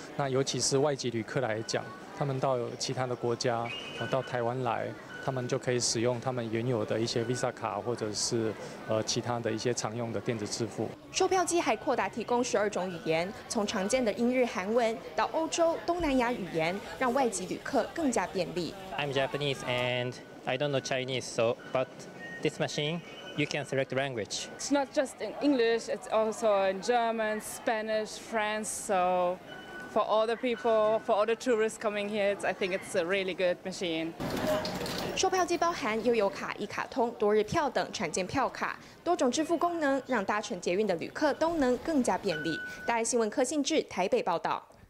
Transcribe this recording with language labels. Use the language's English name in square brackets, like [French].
[Chinese] 那尤其是外籍旅客来讲，他们到其他的国家，到台湾来，他们就可以使用他们原有的一些 Visa 卡，或者是其他的一些常用的电子支付。售票机还扩大提供12种语言，从常见的英日韩文到欧洲东南亚语言，让外籍旅客更加便利。 [English] I'm Japanese and I don't know Chinese, so but this machine, you can select language. It's not just in English, it's also in German, Spanish, French. So for all the people, for all the tourists coming here, I think it's a really good machine. [Chinese] 售票机包含悠游卡、一卡通、多日票等产检票卡，多种支付功能让搭乘捷运的旅客都能更加便利。大爱新闻柯信智台北报道。